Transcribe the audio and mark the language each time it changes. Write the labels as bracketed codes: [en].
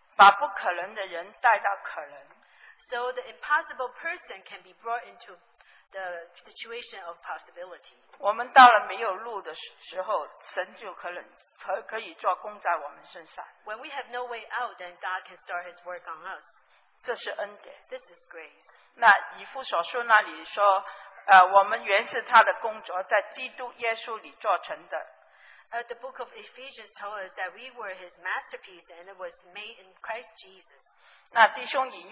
[en] So the impossible person can be brought into the situation of possibility. When we have no way out, then God can start his work on us. This is grace. [zh] 那以弗所书那里说, 我们原是他的工作, 在基督耶稣里做成的。 [en] The book of Ephesians told us that we were his masterpiece and it was made in Christ Jesus.